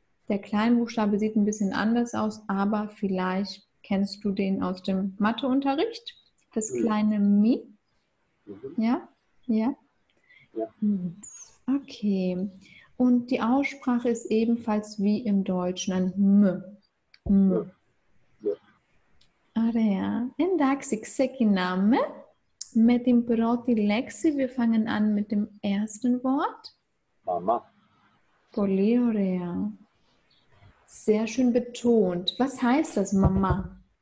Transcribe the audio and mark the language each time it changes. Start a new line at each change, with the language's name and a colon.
German: Der Kleinbuchstabe sieht ein bisschen anders aus, aber vielleicht kennst du den aus dem Matheunterricht, das kleine Mi? Mhm. Ja? Ja? Ja. Okay. Und die Aussprache ist ebenfalls wie im Deutschen, ein M. M. Area.
Greek: Endaxi, ξεκινάμε με την πρώτη λέξη.
German: Wir fangen an mit dem ersten Wort. Mama.
Greek: Πολύ ωραία.
German: Sehr schön betont. Was heißt das, Mama?